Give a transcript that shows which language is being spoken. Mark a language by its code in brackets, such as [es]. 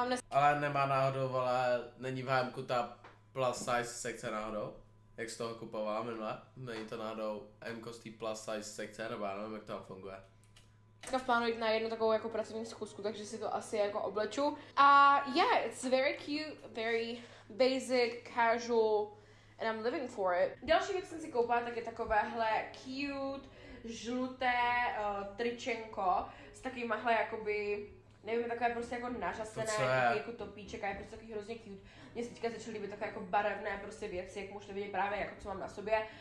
[cs] Ale nemá náhodou, ale není v H&M-ku ta plus size sekce náhodou, jak jsi toho kupovala minule, není to náhodou M-ko z té plus size sekce, nebo já nevím, jak to funguje. Teďka v plánu jít na jednu takovou jako pracovní schůzku, takže si to asi jako obleču. [en] A yeah, it's very cute, very basic, casual, and I'm living for it. [cs] Další věc jsem si koupila, tak je takovéhle cute, žluté tričenko s takovýmahle jakoby, nevím, takové prostě jako nařasené, takový jako topíček a je prostě takový hrozně cute. Mně se teďka začaly líbit takové jako barevné prostě věci, jak můžete vidět právě jako co mám na sobě.